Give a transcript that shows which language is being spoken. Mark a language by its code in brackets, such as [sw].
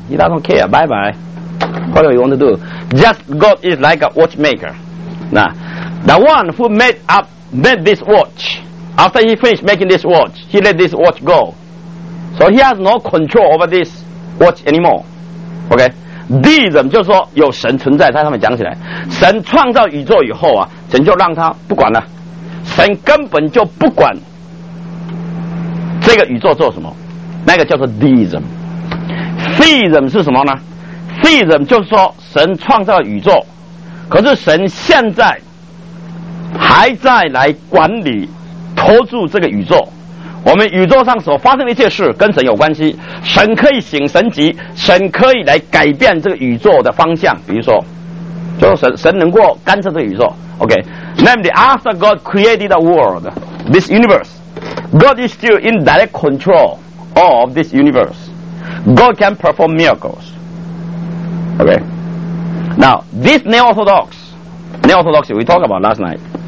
[en] He doesn't care. Bye bye. Whatever you want to do. Just God is like a watchmaker. Now, the one who made this watch, after he finished making this watch, he let this watch go. So he has no control over this watch anymore. Okay? [zh] Deism 就是说有神存在在上面讲起来, 神创造宇宙以后啊, 神就让他不管了, 神根本就不管 这个宇宙做什么, 那个叫做deism. Theism是什么呢? Theism 就是说神创造宇宙, 可是神现在 还在来管理, 投注这个宇宙, 我们宇宙上所发生的一切事, 跟神有关系, 神可以行神迹, 神可以来改变这个宇宙的方向, 比如说, 就是神能够干涉这个宇宙, okay. [en] Namely, after God created the world, this universe, God is still in direct control of this universe. God can perform miracles. Okay. Now, this Neo-Orthodox we talked about last night.